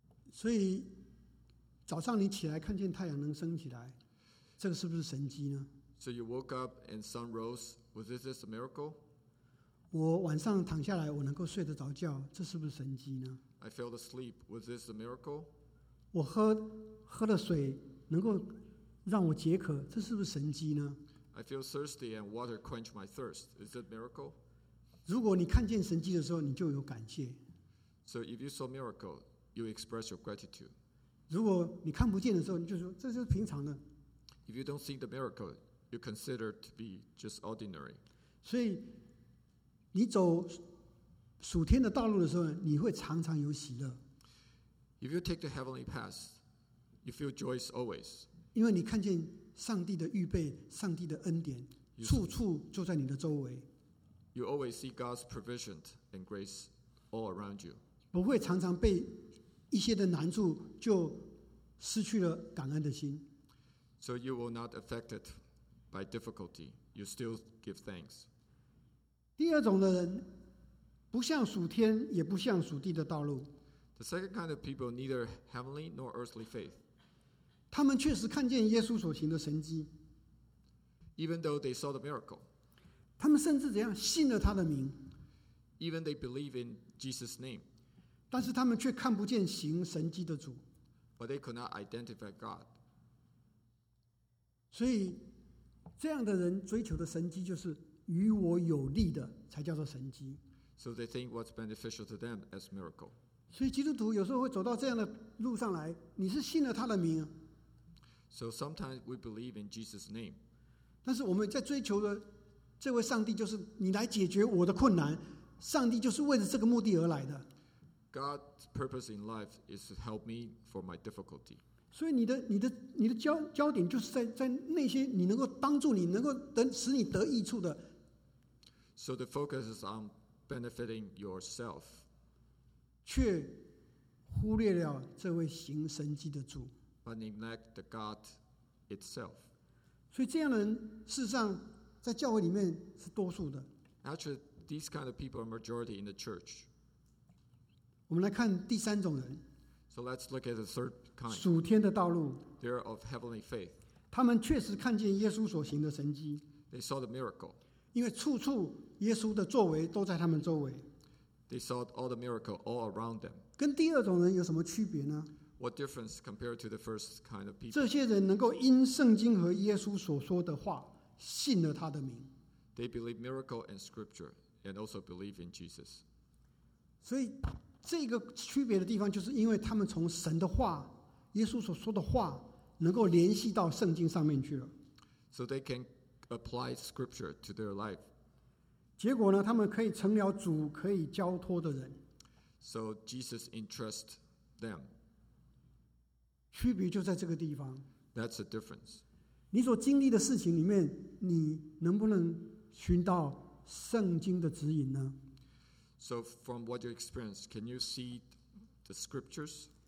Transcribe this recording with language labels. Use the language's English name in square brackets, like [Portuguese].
[Chinese] 所以早上你起来看见太阳能升起来，这个是不是神迹呢？ [English] So you woke up and sun rose. Was this a miracle? [Chinese] 我晚上躺下来，我能够睡得着觉，这是不是神迹呢？ [English] I fell asleep. Was this a miracle? [Chinese] 我喝了水，能够让我解渴，这是不是神迹呢？ [English] I feel thirsty and water quenched my thirst. Is it a miracle? [Chinese] 如果你看见神迹的时候，你就有感谢。 [English] So if you saw a miracle, you express your gratitude. [Chinese] 如果你看不见的时候，你就说这就是平常的。 [English] If you don't see the miracle, you consider it to be just ordinary. [Chinese] 所以你走属天的道路的时候，你会常常有喜乐。 [English] If you take the heavenly path, you feel joyous always. [Chinese] 因为你看见上帝的预备，上帝的恩典，处处就在你的周围。 [English] You always see God's provision and grace all around you. [Chinese] 不会常常被一些的难处就失去了感恩的心。 [English] So you will not affect it by difficulty. You still give thanks. [Chinese] 第二种的人不像属天也不像属地的道路。 [English] The second kind of people neither heavenly nor earthly faith. [Chinese] 他们确实看见耶稣所行的神迹。 [English] Even though they saw the miracle. [Chinese] 他们甚至怎样信了他的名。 [English] Even they believe in Jesus' name. [Chinese] 但是他们却看不见行神迹的主。 [English] But they could not identify God. [Chinese] 所以这样的人追求的神迹就是与我有利的才叫做神迹。 [English] So they think what's beneficial to them as miracle. [Chinese] 所以基督徒有时候会走到这样的路上来，你是信了他的名。 [English] So sometimes we believe in Jesus' name. [Chinese] 但是我们在追求的这位上帝就是你来解决我的困难，上帝就是为了这个目的而来的。 [English] God's purpose in life is to help me for my difficulty. [Chinese] 所以你的 焦点就是 在那些你能够帮助你能够得使你得益处的。 [English] So the focus is on benefiting yourself. [Chinese] 却忽略了这位行神迹的主。 [English] But neglect the God itself. [Chinese] 所以这样的人事实上在教会里面是多数的。 [English] Actually, these kind of people are majority in the church. [Chinese] 我们来看第三种人。 [English] So let's look at the third kind. [Chinese] 属天的道路。 [English] They're of heavenly faith. [Chinese] 他们确实看见耶稣所行的神迹。 [English] They saw the miracle. [Chinese] 因为处处耶稣的作为都在他们周围。 [English] They saw all the miracle all around them. [Chinese] 跟第二种人有什么区别呢？ [English] What difference compared to the first kind of people? [Chinese] 这些人能够因圣经和耶稣所说的话信了他的名。 [English] They believe miracle and scripture and also believe in Jesus. [Chinese] 所以这个区别的地方就是因为他们从神的话耶稣所说的话能够联系到圣经上面去了。 [English] So they can apply scripture to their life. [Chinese] 结果呢他们可以成了主可以交托的人。 [English] So Jesus entrusts them. [Chinese] 区别就在这个地方。 [English] That's the difference. [Chinese] 你所经历的事情里面你能不能寻到圣经的指引呢？ [English] So from what you experience, can you see the scriptures?